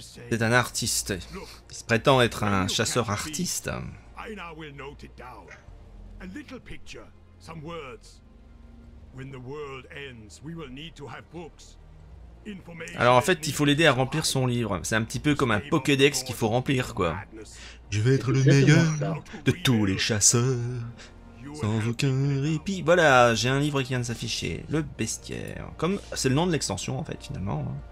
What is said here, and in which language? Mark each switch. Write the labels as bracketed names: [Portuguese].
[French] C'est un artiste. Il se prétend être un chasseur artiste. [English] Aina will note it down. A little picture, some words. When the world ends, we will need to have books. [French] Alors en fait, il faut l'aider à remplir son livre. C'est un petit peu comme un Pokédex qu'il faut remplir, quoi. Je vais être le meilleur de tous les chasseurs, sans aucun répit. Voilà, j'ai un livre qui vient de s'afficher. Le bestiaire. Comme c'est le nom de l'extension, en fait, finalement.